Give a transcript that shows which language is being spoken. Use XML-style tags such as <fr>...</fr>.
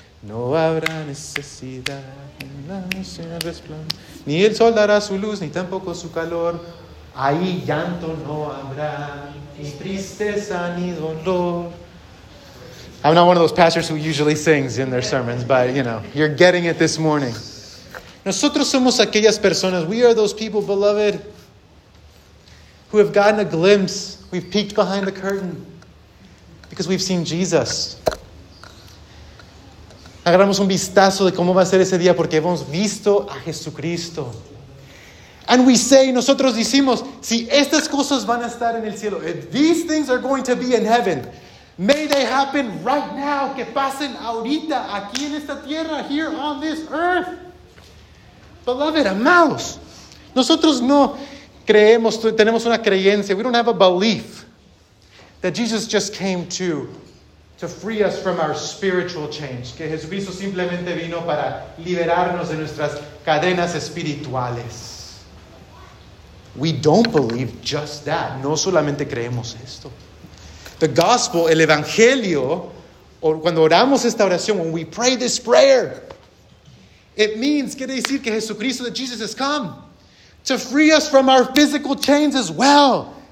<es>No habrá necesidad en la noche de resplandor. Ni el sol dará su luz, ni tampoco su calor. Ahí llanto no habrá, ni tristeza ni dolor.</es> <en>I'm not one of those pastors who usually sings in their sermons, but, you know, you're getting it this morning.</en> <es>Nosotros somos aquellas personas,</es> <en>we are those people, beloved, who have gotten a glimpse, we've peeked behind the curtain, because we've seen Jesus.</en> <es>Agarramos un vistazo de cómo va a ser ese día porque hemos visto a Jesucristo.</es> <en>And we say,</en> <es>nosotros decimos, si estas cosas van a estar en el cielo,</es> <en>if these things are going to be in heaven, may they happen right now.</en> <es>Que pasen ahorita, aquí en esta tierra,</es> <en>here on this earth. Beloved, amados.</en> <es>Nosotros no creemos, tenemos una creencia.</es> <en>We don't have a belief that Jesus just came to free us from our spiritual chains.</en> <es>Que Jesucristo simplemente vino para liberarnos de nuestras cadenas espirituales.</es> <en>We don't believe just that.</en> <es>No solamente creemos esto.</es> <en>The gospel, el evangelio, or</en> <es>cuando oramos esta oración,</es> <en>when we pray this prayer, it means,</en> <es>quiere decir que Jesucristo,</es> <en>that Jesus has come to free us from our physical chains as well.</en>